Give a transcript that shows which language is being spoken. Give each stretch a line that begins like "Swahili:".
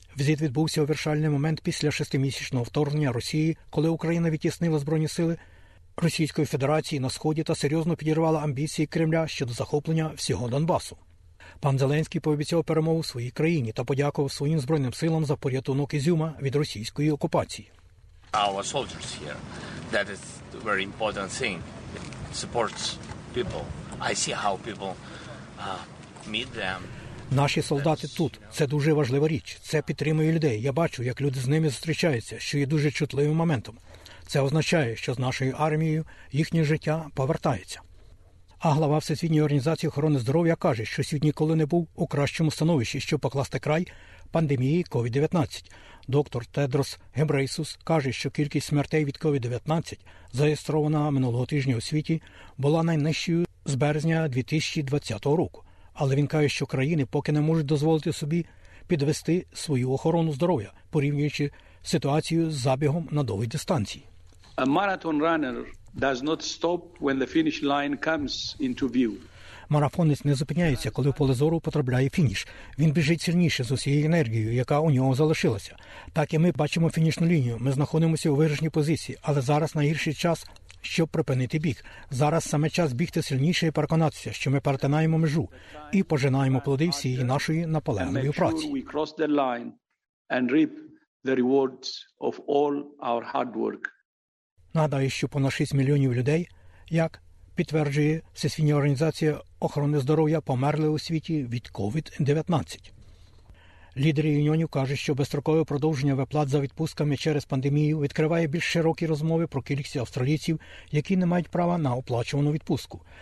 Ukrainian: Візит відбувся у вирішальний момент після шестимісячного вторгнення Росії, коли Україна відтіснила Збройні сили Російської Федерації на Сході та серйозно підірвала амбіції Кремля щодо захоплення всього Донбасу. Пан Зеленський пообіцяв перемогу своїй країні та подякував своїм Збройним силам за порятунок Ізюма від російської окупації.
English: Our soldiers here, that is a very important thing. It supports people. I see how people meet them.
Ukrainian: Наші солдати тут. Це дуже важлива річ. Це підтримує людей. Я бачу, як люди з ними зустрічаються, що є дуже чутливим моментом. Це означає, що з нашою армією їхнє життя повертається. А глава Всесвітньої організації охорони здоров'я каже, що світ ніколи не був у кращому становищі, щоб покласти край пандемії COVID-19. Доктор Тедрос Гебрейсус каже, що кількість смертей від COVID-19, зареєстрована минулого тижня у світі, була найнижчою з березня 2020 року. Але він каже, що країни поки не можуть дозволити собі підвести свою охорону здоров'я, порівнюючи ситуацію з забігом на довгій дистанції.
English: A marathon runner does not stop when the finish line comes into view.
Ukrainian: Марафонець не зупиняється, коли в поле зору потрапляє фініш. Він біжить сильніше з усією енергією, яка у нього залишилася. Так і ми бачимо фінішну лінію. Ми знаходимося у виграшній позиції, але зараз найгірший час, щоб припинити біг. Зараз саме час бігти сильніше і переконатися, що ми перетинаємо межу і пожинаємо плоди всієї нашої наполегливої праці.
English: We cross the line and reap the rewards of all our hard work.
Ukrainian: Нагадаю, що понад 6 мільйонів людей, як підтверджує Всесвітня організація охорони здоров'я, померли у світі від COVID-19. Лідери юніонів кажуть, що безстрокове продовження виплат за відпустками через пандемію відкриває більш широкі розмови про кількість австралійців, які не мають права на оплачувану відпустку.